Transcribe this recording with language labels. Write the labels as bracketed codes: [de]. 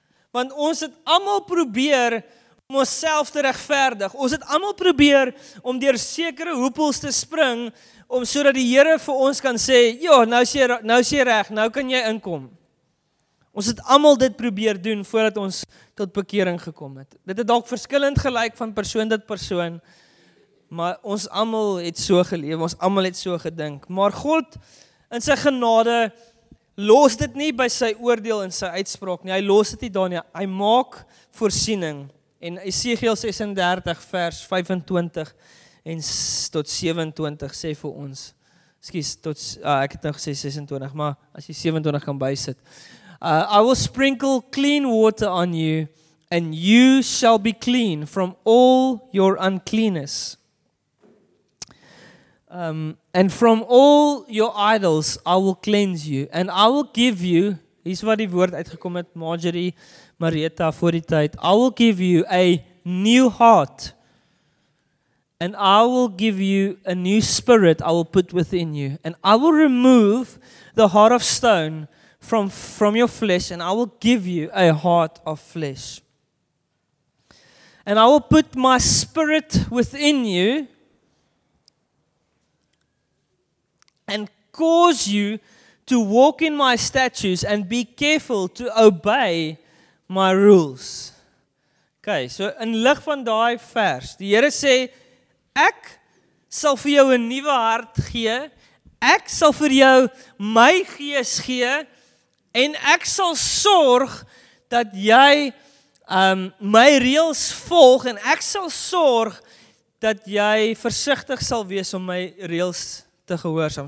[af] Want ons het almal probeer om onsself te regverdig. Ons het almal probeer om deur sekere hoepels te spring om sodat die Here vir ons kan sê, "Ja, nou is jy reg, nou kan jy inkom." Ons het almal dit probeer doen voordat ons tot bekering gekom het. Dit het dalk verskillend gelyk van persoon tot persoon, maar ons almal het so geleef, ons almal het so gedink. Maar God in sy genade los dit nie by sy oordeel en sy uitspraak nie. Hy los dit nie daar nie. Hy maak voorsiening. En Esegiël 36 vers 25 en tot 27 sê vir ons. Skus, ek het nou gesê 26, maar as jy 27 kan bysit. [en] I will sprinkle clean water on you and you shall be clean from all your uncleanness. And from all your idols I will cleanse you and I will give you, [af] hier's wat die woord uitgekom het, Marjorie, Marietta, voor die tyd, [en] I will give you a new heart and I will give you a new spirit I will put within you and I will remove the heart of stone from your flesh and I will give you a heart of flesh and I will put my spirit within you and cause you to walk in my statutes and be careful to obey my rules. [af] Okay, so in lig van daai vers, die Here sê ek sal vir jou 'n nuwe hart gee, ek sal vir jou my gees gee en ek sal sorg dat jy my reëls volg en ek sal sorg dat jy versigtig sal wees om my reëls te gehoorsaam.